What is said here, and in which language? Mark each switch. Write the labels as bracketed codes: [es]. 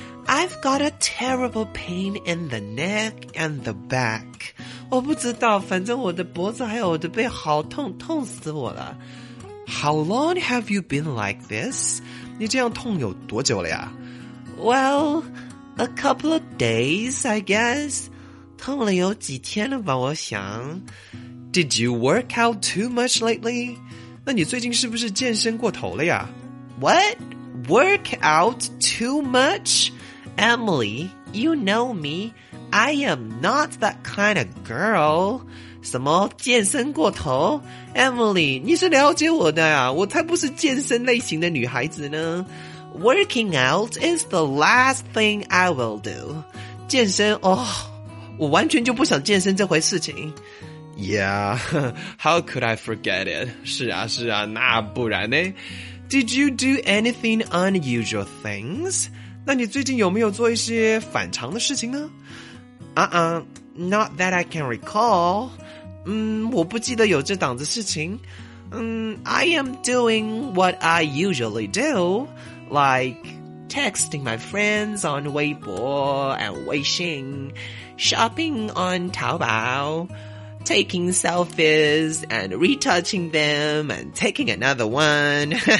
[en] I've got a terrible pain in the neck and the back. [zh] 我不知道，反正我的脖子还有我的背好痛，痛死我了。 [en] How long have you been like this? [zh] 你这样痛有多久了呀？ [en] Well, a couple of days, I guess. [zh] 痛了有几天了吧，我想。 [en] Did you work out too much lately? [zh] 那你最近是不是健身过头了呀？ [en] What? Work out too much? Emily, you know me. I am not that kind of girl. [zh] 什么健身过头 Emily, 你是了解我的啊，我才不是健身类型的女孩子呢。 [en] Working out is the last thing I will do. [zh] 健身哦，我完全就不想健身这回事情。 [en] Yeah, how could I forget it? [zh] 是啊是啊，那不然呢？ [en] Did you do anything unusual things? [zh] 那你最近有没有做一些反常的事情呢？ [en] Not that I can recall. [zh] 我不记得有这档子事情。 [en] I am doing what I usually do, like texting my friends on Weibo and Weixin, shopping on Taobao,taking selfies and retouching them and taking another one.